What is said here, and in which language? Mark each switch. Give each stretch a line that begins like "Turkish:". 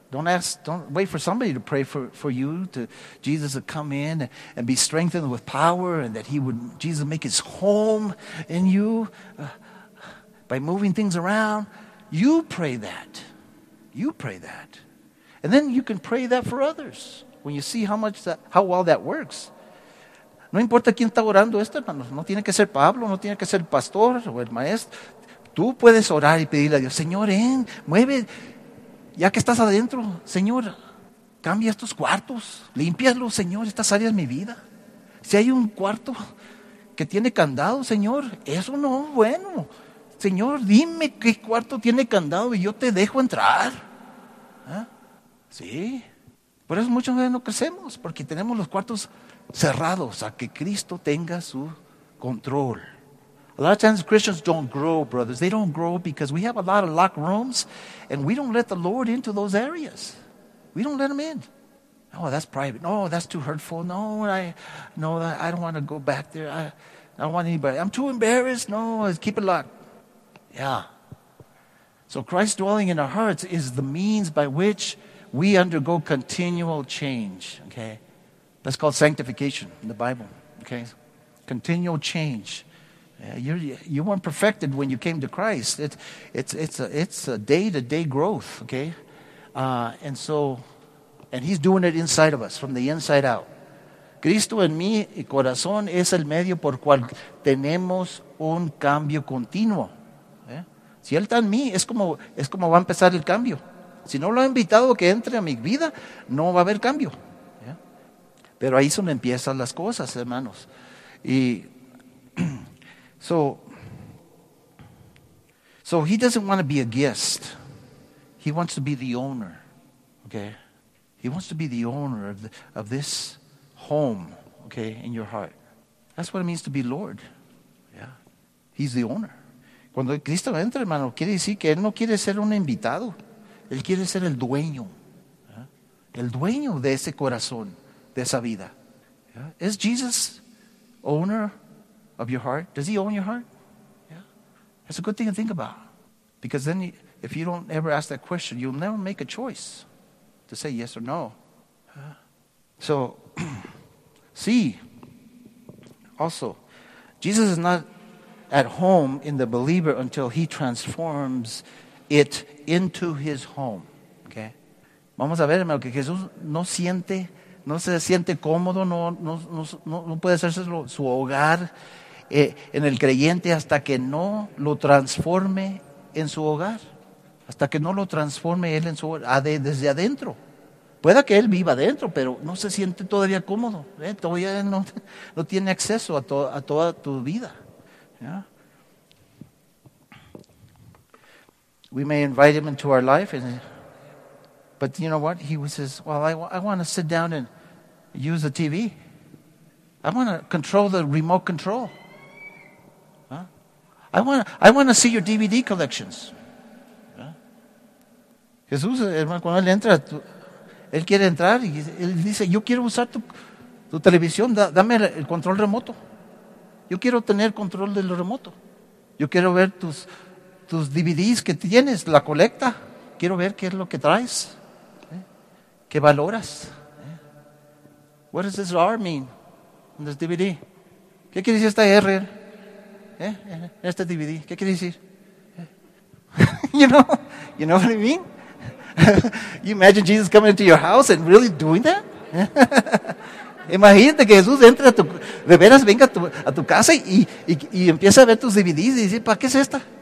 English: Don't wait for somebody to pray for you, to Jesus to come in and be strengthened with power, and that Jesus make his home in you by moving things around. You pray that. You pray that. And then you can pray that for others when you see how well that works.
Spanish: No importa quién está orando esto, hermanos. No tiene que ser Pablo, no tiene que ser el pastor o el maestro. Tú puedes orar y pedirle a Dios, Señor, mueve. Ya que estás adentro, Señor, cambia estos cuartos. Límpialos, Señor, estas áreas de mi vida. Si hay un cuarto que tiene candado, Señor, eso no es bueno. Señor, dime qué cuarto tiene candado y yo te dejo entrar. ¿Ah? Sí. Por eso muchas veces no crecemos, porque tenemos los cuartos cerrados a que Cristo tenga su control.
English: A lot of times Christians don't grow, brothers. They don't grow because we have a lot of locked rooms and we don't let the Lord into those areas. We don't let him in. Oh, that's private. No, that's too hurtful. No, I don't want to go back there. I don't want anybody. I'm too embarrassed. No, keep it locked. Yeah. So Christ dwelling in our hearts is the means by which we undergo continual change. Okay. That's called sanctification in the Bible. Okay. Continual change. You weren't perfected when you came to Christ. It's a day-to-day growth, okay? And he's doing it inside of us, from the inside out.
Spanish: Cristo en mí y corazón es el medio por cual tenemos un cambio continuo. ¿Eh? Si él está en mí, es como va a empezar el cambio. Si no lo ha invitado a que entre a mi vida, no va a haber cambio. ¿Eh? Pero ahí es donde empiezan las cosas, hermanos. Y...
English: So he doesn't want to be a guest. He wants to be the owner, okay? He wants to be the owner of this home, okay, in your heart. That's what it means to be Lord, yeah? He's the owner.
Spanish: Cuando Cristo entra, hermano, quiere decir que él no quiere ser un invitado. Él quiere ser el dueño, yeah? El dueño de ese corazón, de esa vida.
English: Yeah? Is Jesus owner of your heart? Does he own your heart? Yeah. That's a good thing to think about. Because then if you don't ever ask that question, you'll never make a choice to say yes or no. So, see, also, Jesus is not at home in the believer until he transforms it into his home. Okay?
Spanish: Vamos a ver, hermano, que Jesús no se siente cómodo, no puede hacerse su hogar en el creyente hasta que no lo transforme en su hogar, hasta que no lo transforme él en su hogar, desde adentro. Puede que él viva adentro, pero no se siente todavía cómodo, ¿eh? Todavía no tiene acceso a toda tu vida, ¿ya?
English: we may invite him into our life, and but you know what? He says, "Well, I want to sit down and use the TV. I want to control the remote control. Huh? I want to see your DVD collections."
Spanish: Jesús, hermano, cuando él entra, él quiere entrar y él dice, yo quiero usar tu televisión, dame el control remoto. Yo quiero tener control del remoto. Yo quiero ver tus DVDs que tienes, la colecta. Quiero ver qué es lo que traes, qué valoras.
English: What does this R mean in this DVD?
Spanish: ¿Qué quiere decir esta R en este DVD? ¿Qué quiere decir?
English: You know what I mean? You imagine Jesus coming into your house and really doing that?
Spanish: Imagínate que Jesús entre a tu, de veras venga a tu casa y empieza a ver tus DVDs y dice, ¿para qué es esta?